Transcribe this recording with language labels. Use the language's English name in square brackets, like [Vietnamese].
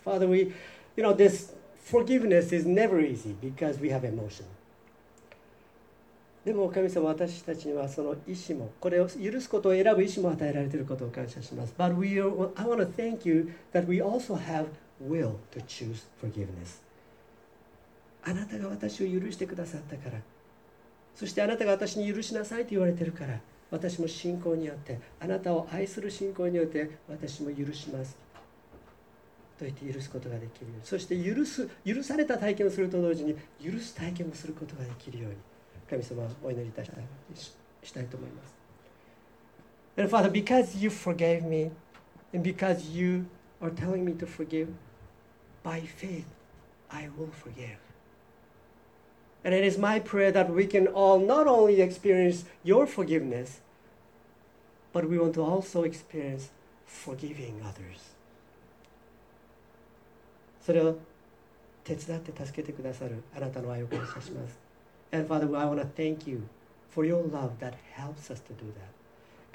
[English] Father, we, you know, this forgiveness is never easy because we have emotion. [Japanese] でも神様、私たちにはその意思も、これを許すことを選ぶ意思も与えられていることを感謝します。 [English] But we are, I want to thank you that we also have will to choose forgiveness. [Japanese] あなたが私を許してくださったから、そしてあなたが私に許しなさいと言われているから、私も信仰によって、あなたを愛する信仰によって、私も許します。と言って許すことができるように。そして許された体験をすると同時に、許す体験をすることができるように。神様、お祈りいたしたいと思います。 [English] And Father, because you forgave me, and because you are telling me to forgive, by faith, I will forgive. And it is my prayer that we can all not only experience your forgiveness, but we want to also experience forgiving others. [Japanese] それを手伝って助けてくださるあなたの愛を感謝します。 [English] And Father, I want to thank you for your love that helps us to do that.